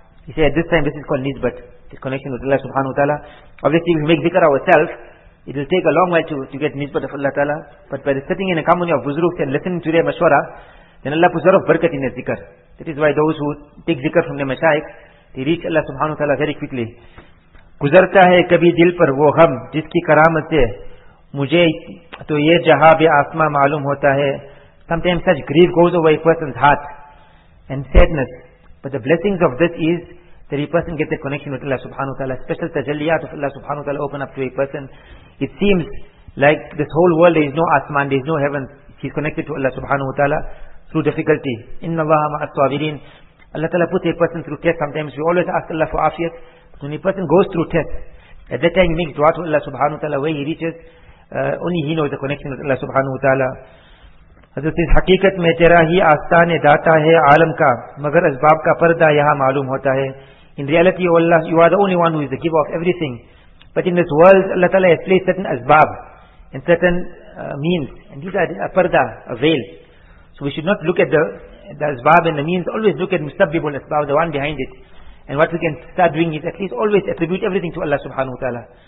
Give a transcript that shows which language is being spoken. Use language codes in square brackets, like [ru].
[en] He said at this time this is called nisbat, this connection with Allah subhanahu wa ta'ala. Obviously if we make zikr ourselves, it will take a long while to get nisbat of Allah ta'ala. But by sitting in a company of buzruks and listening to their mashwara, then Allah puts a lot of barakat in their zikr. That is why those who take zikr from their mashayikh, they reach Allah subhanahu wa ta'ala very quickly. [ur] گزرتا ہے کبھی دل پر وہ غم جس کی کرامت سے مجھے تو یہ جہاں بھی آسما معلوم ہوتا ہے. [en] Sometimes such grief goes over a person's heart and sadness. But the blessings of this is every person gets a connection with Allah subhanahu wa ta'ala. Special tajalliyat of Allah subhanahu wa ta'ala open up to a person. It seems like this whole world, there is no asman, there is no heaven. He's connected to Allah subhanahu wa ta'ala through difficulty. Inna allaha ma'a as-sabirin. Allah ta'ala puts a person through test sometimes. We always ask Allah for afiyat. But when a person goes through test, at that time he makes dua to Allah subhanahu wa ta'ala. Where he reaches, only he knows the connection with Allah subhanahu wa ta'ala. [ur] حضرت اس حقیقت میں تیرا ہی آستان داتا ہے عالم کا مگر اسباب کا پردہ یہاں معلوم ہوتا ہے. [en] In reality, oh Allah, you are the only one who is the giver of everything. But in this world, Allah Ta'ala has placed certain asbab and certain means. And these are a parda, a veil. So we should not look at the asbab and the means. Always look at mustabbibul asbab, the one behind it. And what we can start doing is at least always attribute everything to Allah subhanahu wa ta'ala.